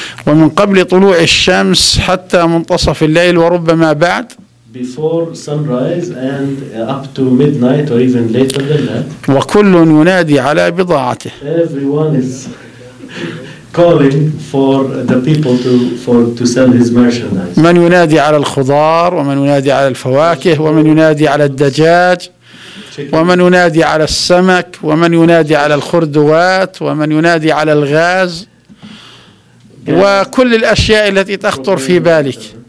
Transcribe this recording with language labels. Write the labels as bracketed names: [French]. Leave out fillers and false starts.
[Arabic] ومن قبل طلوع الشمس حتى منتصف الليل وربما بعد. [English] Before sunrise and up to midnight or even later than that. [Arabic] وكل ينادي على بضاعته. [English] Everyone is calling for the people to sell his merchandise. [Arabic] من ينادي على الخضار، ومن ينادي على الفواكه، ومن ينادي على الدجاج. ومن ينادي على السمك، ومن ينادي على الخردوات، ومن ينادي على الغاز، وكل الأشياء التي تخطر في بالك.